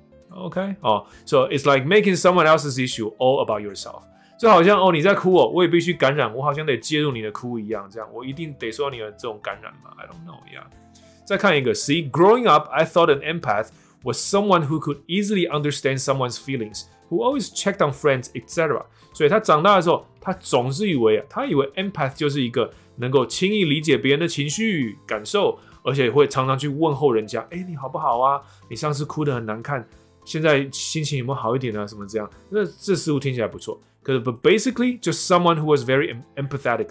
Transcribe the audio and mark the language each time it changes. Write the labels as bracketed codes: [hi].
[en] OK， 哦、oh, ，so it's like making someone else's issue all about yourself。 [zh] 就好像哦，你在哭哦，我也必须感染，我好像得介入你的哭一样，这样我一定得受到你的这种感染嘛 ？ [en] I don't know， yeah。 [zh] 再看一个 [en] ，see， growing up， I thought an empath was someone who could easily understand someone's feelings， who always checked on friends， etc。 [zh] 所以他长大的时候，他总是以为啊，他以为 empath 就是一个能够轻易理解别人的情绪感受。而且会常常去问候人家，哎、欸，你好不好啊？你上次哭得很难看，现在心情有没有好一点啊？什么这样？那这似乎听起来不错。 [en] 可是 ，but basically， just someone who was very empathetic。